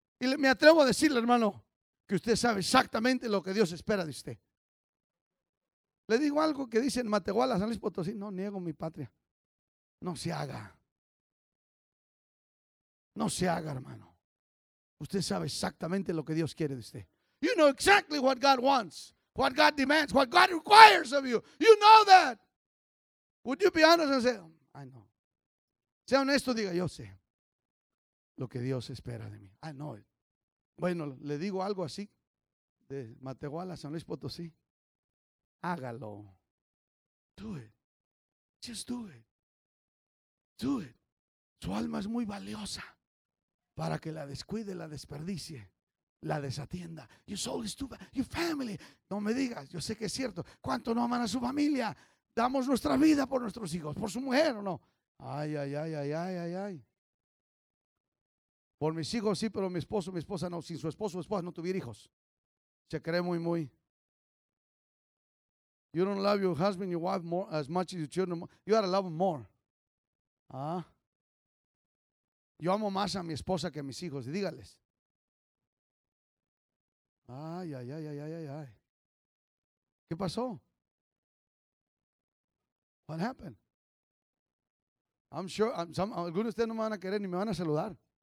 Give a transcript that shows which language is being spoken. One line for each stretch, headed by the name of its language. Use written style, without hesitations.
Spanish: Y me atrevo a decirle, hermano, que usted sabe exactamente lo que Dios espera de usted. Le digo algo que dice en Matehuala, San Luis Potosí. No, niego mi patria. No se haga. No se haga, hermano. Usted sabe exactamente lo que Dios quiere de usted.
English: You know exactly what God wants, what God demands, what God requires of you. You know that. Would you be honest and say, I know.
Spanish: Sea honesto, diga, yo sé lo que Dios espera de mí.
English: I know it.
Spanish: Bueno, le digo algo así, de Matehuala, San Luis Potosí. Hágalo.
English: Do it. Just do it. Do it.
Spanish: Su alma es muy valiosa para que la descuide, la desperdicie, la desatienda.
English: Your soul is too bad. Your family.
Spanish: No me digas, yo sé que es cierto. ¿Cuánto no aman a su familia? Damos nuestra vida por nuestros hijos, por su mujer o no. Ay, ay, ay, ay, ay, ay, ay. Por mis hijos sí, pero mi esposo, mi esposa no. Sin su esposo, su esposa no tuviera hijos. Se cree muy, muy.
English: You don't love your husband, your wife more as much as your children. You ought to love them more. ¿Ah?
Spanish: Yo amo más a mi esposa que a mis hijos. Dígales. Ay, ay, ay, ay, ay, ay, ay. ¿Qué pasó?
English: What happened? I'm sure,
Spanish: algunos de ustedes no me van a querer ni me van a saludar.